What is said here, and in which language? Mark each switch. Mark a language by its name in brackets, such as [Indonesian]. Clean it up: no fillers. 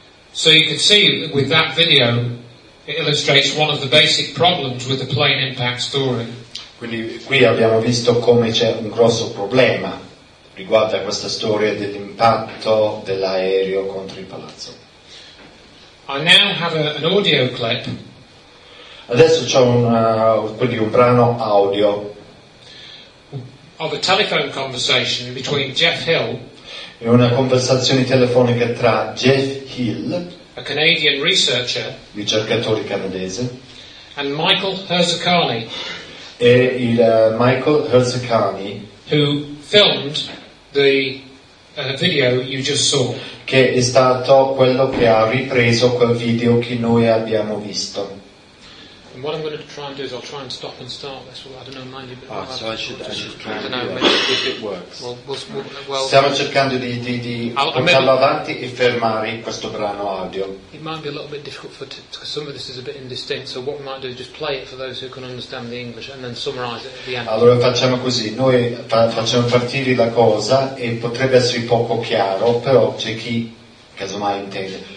[English] So you can see that with that video it illustrates one of the basic problems with the plane impact story. [Italian] Quindi qui abbiamo visto come c'è un grosso problema riguardo a questa storia dell'impatto dell'aereo contro il palazzo. [English] I now have an audio clip. [Italian] Adesso c'è un brano audio [English] of a telephone conversation between Jeff Hill. [Italian] È una conversazione telefonica tra Jeff Hill, [English] a Canadian researcher, [Italian] ricercatore canadese, [English] and Michael Herzicani. [Italian] E il Michael Herzicani, [English] who filmed the video you just saw. [Italian] Che è stato quello che ha ripreso quel video che noi abbiamo visto. [English] And what I'm going to try and do is I'll try and stop and start this. Well, I don't know, mind you, but [Italian] Stiamo cercando di portarlo avanti e fermare questo brano audio. [English] It might be a little bit difficult for because some of this is a bit indistinct. So what we might do is just play it for those who can understand the English and then summarize it at the end. [Italian] Allora facciamo così. Noi facciamo partire la cosa e potrebbe essere poco chiaro, però c'è chi casomai intende.